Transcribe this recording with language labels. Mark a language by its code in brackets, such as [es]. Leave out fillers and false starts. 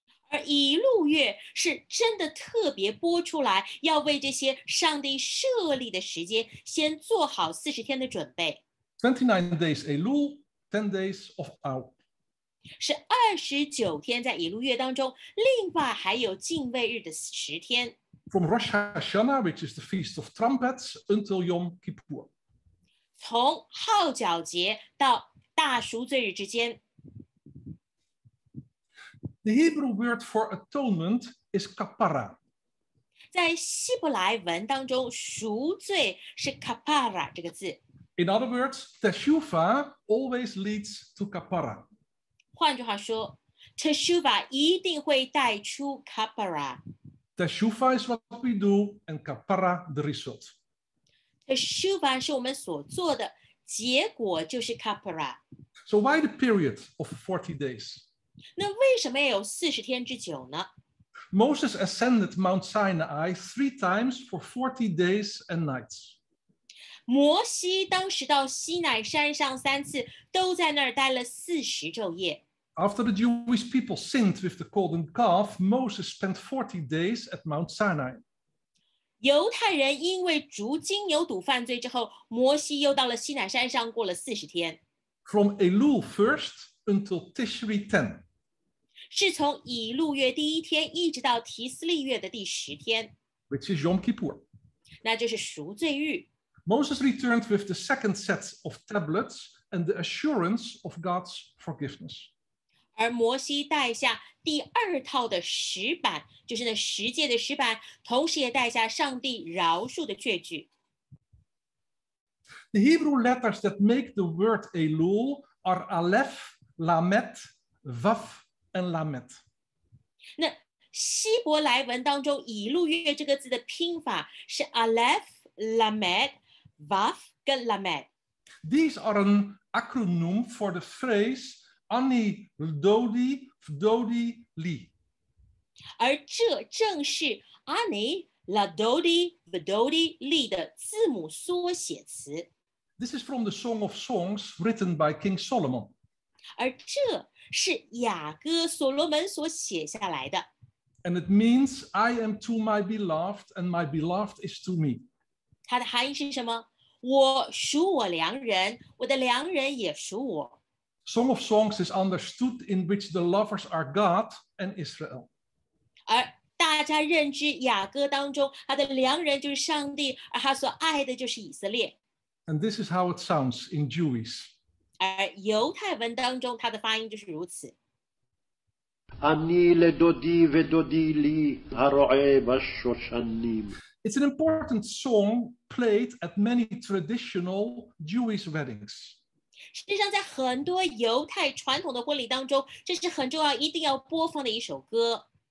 [zh] 而以路月是真的特别播出来，要为这些上帝设立的时间先做好40天的准备。 [en] 29 days Elu, 10 days of Av. [zh] 是29天在以路月当中，另外还有敬畏日的十天。 [en] From Rosh Hashanah, which is the Feast of Trumpets, until Yom Kippur. [zh] 从号角节到大赎罪日之间 [en] ，The Hebrew word for atonement is kapara。 [zh] 在希伯来文当中，赎罪是 kapara 这个字。 [en] In other words, teshuvah always leads to kapara。 [zh] 换句话说 ，teshuvah 一定会带出 kapara。 [en] Teshuvah is what we do, and kapara the result。 [zh] Teshuva 是我们所做的，结果就是 Kapara。 [en] So why the period of 40 days? [zh] 那为什么有40天之久呢？ [en] Moses ascended Mount Sinai three times for 40 days and nights. [zh] 摩西当时到西乃山上三次，都在那儿待了40昼夜。 [en] After the Jewish people sinned with the golden calf, Moses spent 40 days at Mount Sinai. [zh] 犹太人因为逐金牛犊犯罪之后，摩西又到了西乃山上过了40天。 [en] From Elul first until Tishri 10. [zh] 是从以路月第一天一直到提斯利月的第十天。 [en] Which is Yom Kippur. [zh] 那就是赎罪日。 [en] Moses returned with the second set of tablets and the assurance of God's forgiveness. [zh] 而摩西带下第二套的石板，就是那十诫的石板，同时也带下上帝饶恕的确据。 [en] The Hebrew letters that make the word Elul are Aleph, Lamet, Vav, and Lamet. [zh] 那希伯来文当中以路月这个字的拼法是 Aleph, Lamet, Vav, 跟 Lamet. [en] These are an acronym for the phrase [he] Ani Dodi. Dodi Li. [zh] 而这正是 [he] Ani La Dodi Vidodi Li [zh] 的字母缩写词。 [en] This is from the Song of Songs written by King Solomon. [zh] 而这是雅歌所罗门所写下来的。 [en] And it means I am to my beloved and my beloved is to me. [zh] 它的含义是什么？我属我良人，我的良人也属我。 [en] Song of Songs is understood in which the lovers are God and Israel. [zh] 而大家认知雅歌当中，他的良人就是上帝，而他所爱的就是以色列。 [en] And this is how it sounds in Jewish. [zh] 而犹太文当中，它的发音就是如此。 [he] Ani le dodi ve dodi li haro'e bashoshanim. [en] It's an important song played at many traditional Jewish weddings. [zh] 事实上，在很多犹太传统的婚礼当中，这是很重要、一定要播放的一首歌。